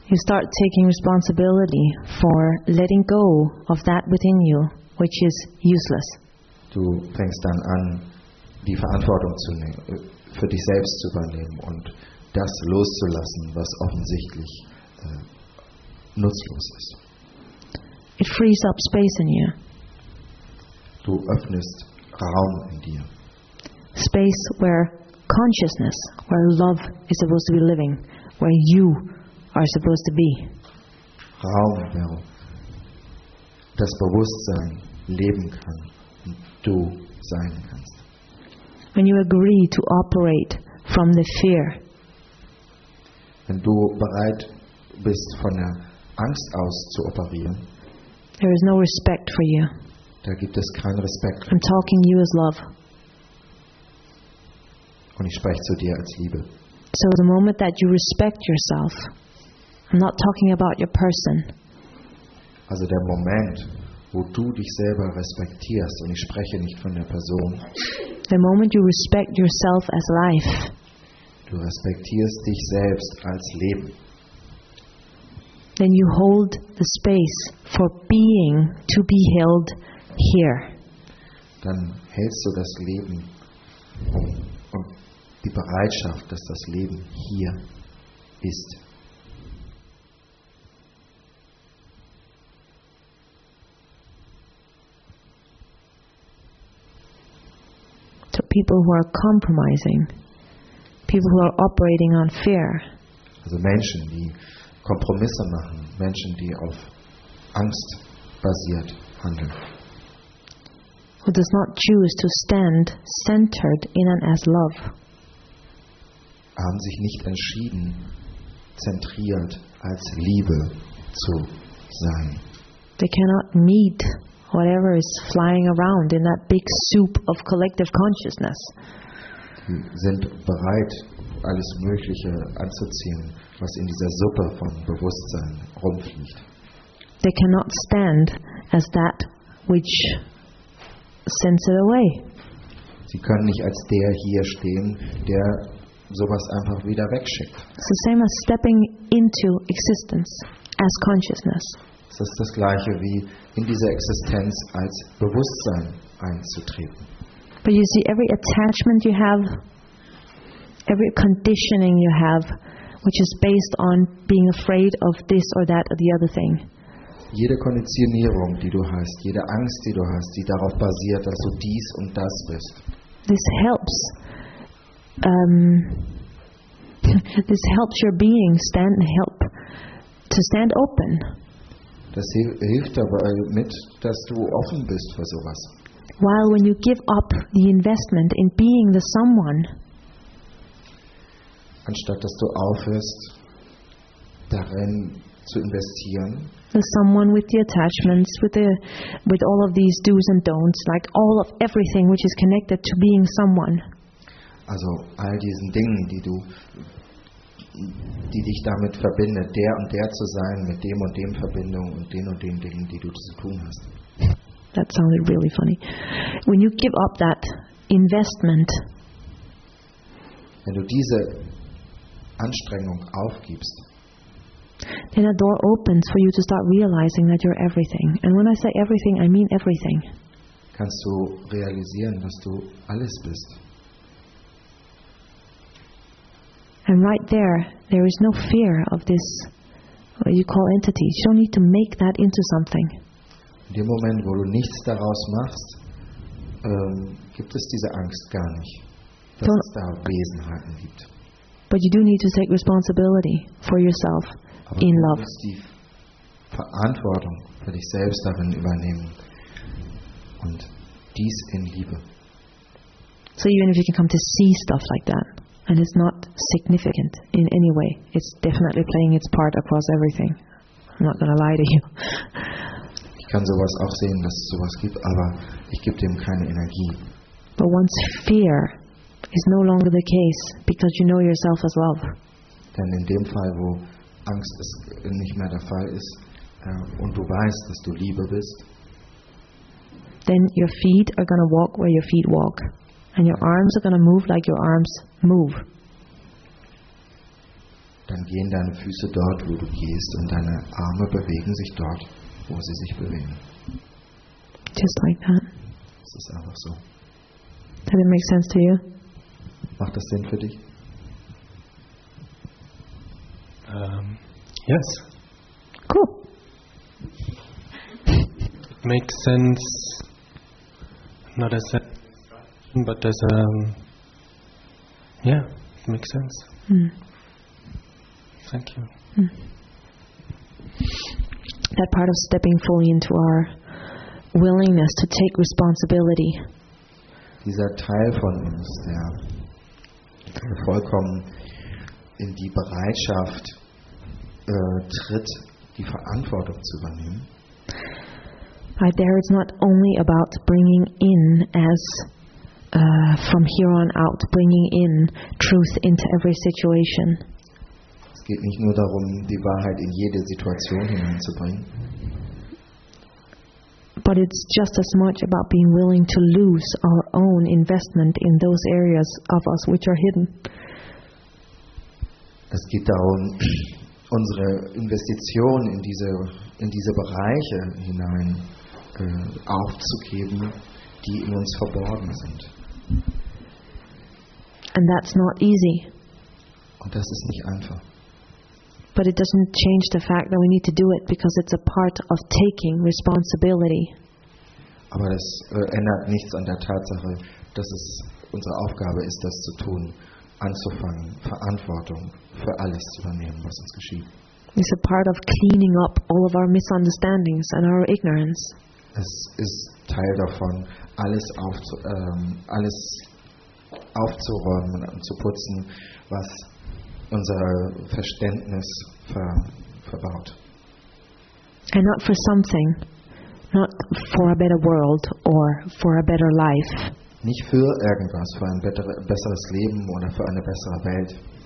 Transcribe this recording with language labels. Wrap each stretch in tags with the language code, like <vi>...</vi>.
<en>You start taking responsibility for letting go of that within you which is useless.</en> <de>Du fängst dann an, die Verantwortung zu nehmen, für dich selbst zu übernehmen und das loszulassen, was offensichtlich nutzlos ist.</de> <en>It frees up space in you.</en> <de>Du öffnest Raum in dir.</de> <en>Space where consciousness, where love is supposed to be living, where you are supposed to be.</en> <de>Raum, wo das Bewusstsein leben kann und du sein kannst.</de> <en>When you agree to operate from the fear.</en> <de>Wenn du bereit bist, von der Angst aus zu operieren.</de> <en>There is no respect for you.</en> <de>Da gibt es keinen Respekt.</de> <en>I'm talking you as love.</en> <de>Und ich spreche zu dir als Liebe.</de> <en>So the moment that you respect yourself, I'm not talking about your person.</en> <de>Also der Moment, wo du dich selber respektierst, und ich spreche nicht von der Person.</de> <en>The moment you respect yourself as life.</en> <de>Du respektierst dich selbst als Leben.</de> <en>Then you hold the space for being to be held here.</en> <de>Dann hältst du das Leben und die Bereitschaft, dass das Leben hier ist.</de> <en>To people who are compromising, people who are operating on fear.</en> <de>Also Menschen, die Kompromisse machen, Menschen, die auf Angst basiert handeln.</de> <en>Who does not choose to stand centered in and as love.</en> <de>Haben sich nicht entschieden, zentriert als Liebe zu sein.</de> <en>They cannot meet whatever is flying around in that big soup of collective consciousness.</en> <de>Sie sind bereit, alles Mögliche anzuziehen, was in dieser Suppe von Bewusstsein rumfliegt.</de> <en>They cannot stand as that which sends it away.</en> <de>Sie können nicht als der hier stehen, der sowas einfach wieder wegschickt.</de> <en>It's the same as stepping into existence as consciousness.</en> <de>Es ist das gleiche wie in diese Existenz als Bewusstsein einzutreten.</de> <en>But you see, every attachment you have, every conditioning you have, which is based on being afraid of this or that or the other thing.</en> <de>Jede Konditionierung, die du hast, jede Angst, die du hast, die darauf basiert, dass du dies und das bist.</de> <en>This helps This helps your being stand help to stand open.</en> <de>Das hilft dabei mit, dass du offen bist für sowas.</de> <en>While when you give up the investment in being the someone,</en> <de>anstatt dass du aufhörst darin zu investieren,</de> <en>the someone with the attachments, with all of these do's and don'ts, like all of everything which is connected to being someone.</en> <de>Also all diesen Dingen, die dich damit verbindet, der und der zu sein, mit dem und dem Verbindung und den Dingen, die du zu tun hast.</de> <en>That sounded really funny. When you give up that investment,</en> <de>wenn du diese Anstrengung aufgibst,</de> <en>then a door opens for you to start realizing that you're everything. And when I say everything, I mean everything.</en> <de>Kannst du realisieren, dass du alles bist?</de> <en>And right there is no fear of this, what you call entity. You don't need to make that into something.</en> <de>In dem Moment, wo du nichts daraus machst, gibt es diese Angst gar nicht, dass es da Wesenheiten gibt.</de> <en>But you do need to take responsibility for yourself.</en> <de>Aber</de> <en>in love.</en> <de>Du musst die Verantwortung für dich selbst darin übernehmen und dies in Liebe.</de> <en>So even if you can come to see stuff like that, and it's not significant in any way, it's definitely playing its part across everything. I'm not going to lie to you.</en> <de>Ich kann sowas auch sehen, dass es sowas gibt, aber ich gebe dem keine Energie.</de> <en>But once fear is no longer the case, because you know yourself as love.</en> <de>Denn in dem Fall, wo Angst ist, nicht mehr der Fall ist, und du weißt, dass du Liebe bist,</de> <en>then your feet are going to walk where your feet walk. And your arms are going to move like your arms move.</en> <de>Dann gehen deine Füße dort, wo du gehst, und deine Arme bewegen sich dort, wo sie sich bewegen.</de> <en>Just like that.</en> <de>Das ist einfach so.</de> <en>Does it make sense to you?</en> <de>Macht das Sinn für dich?</de> <en>Yes. Cool. It makes sense. Not as a, but as a, it makes sense. Thank you. That part of stepping fully into our willingness to take responsibility.</en> <de>Dieser Teil von uns, der vollkommen in die Bereitschaft tritt, die Verantwortung zu übernehmen.</de> <en>Right there, it's not only about bringing in as from here on out, bringing in truth into every situation.</en> <de>Es geht nicht nur darum, die Wahrheit in jede Situation hineinzubringen.</de> <en>But it's just as much about being willing to lose our own investment in those areas of us which are hidden.</en> <de>Es geht darum, unsere Investition in diese Bereiche hinein aufzugeben, die in uns verborgen sind.</de> <en>And that's not easy.</en> <de>Und das ist nicht einfach.</de> <en>But it doesn't change the fact that we need to do it because it's a part of taking responsibility.</en> <de>Aber das ändert nichts an der Tatsache, dass es unsere Aufgabe ist, das zu tun, anzufangen, Verantwortung für alles zu übernehmen, was uns geschieht.</de> <en>It's a part of cleaning up all of our misunderstandings and our ignorance.</en> <de>Es ist Teil davon, alles aufzuräumen und zu putzen, was unser Verständnis verbaut.</de> <en>And not for something, not for a better world or for a better life.</en> <de>Nicht für irgendwas, für ein besseres Leben oder für eine bessere Welt.</de>